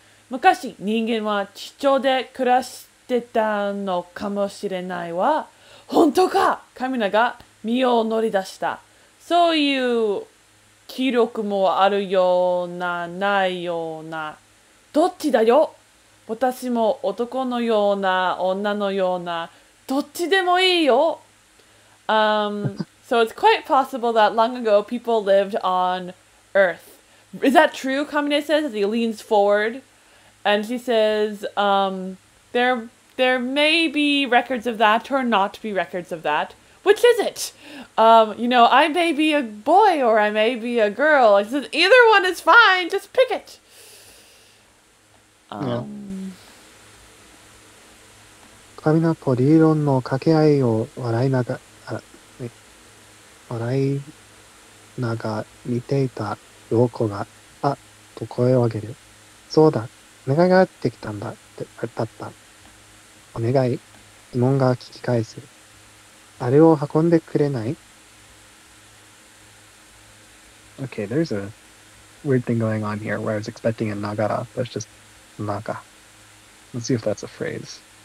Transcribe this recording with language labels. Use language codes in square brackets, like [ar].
[ja] 昔人間は地上で暮らしてたのかもしれないわ。本当か？カミナが身を乗り出した。そういう記録もあるようなないような。どっちだよ？私も男のような女のようなどっちでもいいよ。 [en] So it's quite possible that long ago people lived on Earth. Is that true? Kamine says as he leans forward, and she says, "There may be records of that or not be records of that. Which is it? You know, I may be a boy or I may be a girl. She says either one is fine. Just pick it." [ja] Kamine とリーロンの掛け合いを笑いながら。笑いながら見ていた陽子が、あっと声を上げる。そうだ、願いがあってきたんだって、だった。お願い、疑問が聞き返す。あれを運んでくれない [en] ?Okay, there's a weird thing going on here where I was expecting a nagara, but it's just naga. Let's see if that's a phrase.